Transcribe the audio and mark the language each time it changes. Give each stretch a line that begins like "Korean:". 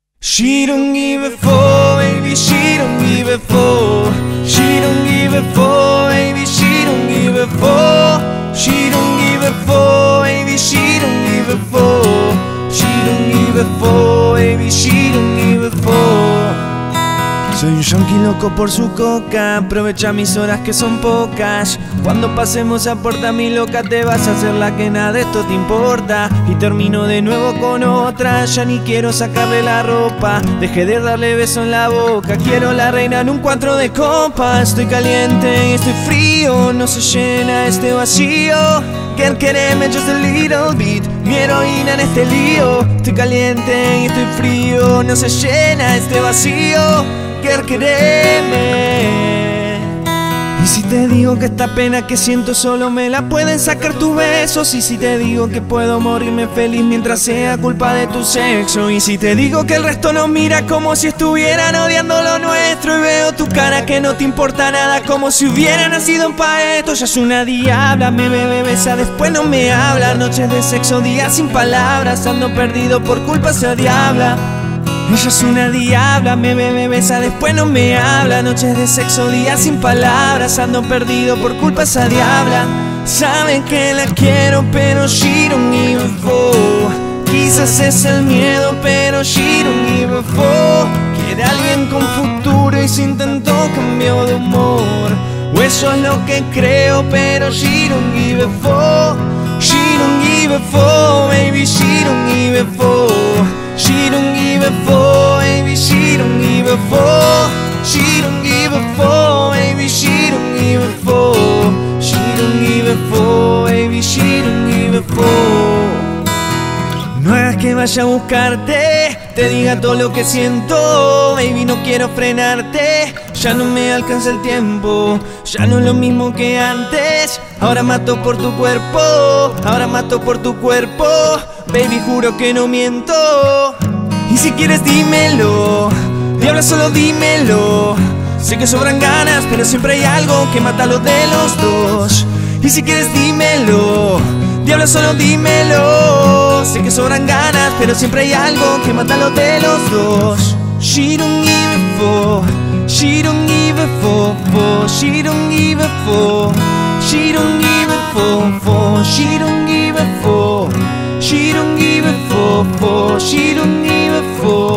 English: She don't give a fuck, baby, she don't give a fuck. She don't give a fuck, baby, she don't give a fuck. She don't give a fuck, baby, she don't give a fuck. She don't give a fuck, baby, she don't give a fuck.
Spanish: Soy un yonki loco por su coca, aprovecha mis horas que son pocas. Cuando pasemos a puerta mi loca, te vas a hacer la que nada de esto te importa. Y termino de nuevo con otra, ya ni quiero sacarle la ropa. Dejé de darle beso en la boca, quiero la reina en un cuatro de copas. Estoy caliente y estoy frío, no se llena este vacío.
English: Can't get him, just a little bit.
Spanish: Mi heroína en este lío. Estoy caliente y estoy frío, no se llena este vacío. Créeme. Y si te digo que esta pena que siento solo me la pueden sacar tus besos. Y si te digo que puedo morirme feliz mientras sea culpa de tu sexo. Y si te digo que el resto nos mira como si estuvieran odiando lo nuestro. Y veo tu cara que no te importa nada como si hubiera nacido un paeto. Ya es una diabla, me bebe, besa, después no me habla. Noches de sexo, días sin palabras, ando perdido por culpa de esa diabla. Ella es una diabla, me bebe, besa, después no me habla. Noches de sexo, días sin palabras, ando perdido por culpa esa diabla. Saben que la quiero, pero
English: she don't give a fuck.
Spanish: Quizás es el miedo, pero
English: she don't give a fuck.
Spanish: Quiere alguien con futuro y se intentó cambió de humor. O eso es lo que creo, pero
English: she don't give a fuck. She don't give a fuck, baby, she don't give a fuck. She don't give a fuck, baby, she don't give a fuck. She don't give a fuck, baby, she don't give a fuck. She don't give a fuck, baby, she don't give a fuck.
Spanish: No hagas que vaya a buscarte, te diga todo lo que siento. Baby, no quiero frenarte, ya no me alcanza el tiempo. Ya no es lo mismo que antes, ahora mato por tu cuerpo. Ahora mato por tu cuerpo. Baby, juro que no miento. Y si quieres dímelo, diabla, solo dímelo. Sé que sobran ganas, pero siempre hay algo que mata a los de los dos. Y si quieres dímelo, diabla, solo dímelo. Sé que sobran ganas, pero siempre hay algo que mata a los de los dos.
English: She don't give a fuck, she don't give a fuck, fuck. She don't give a fuck, she don't give a fuck, fuck. She don't give a fuck. She don't give a fuck, fuck. She don't give a fuck.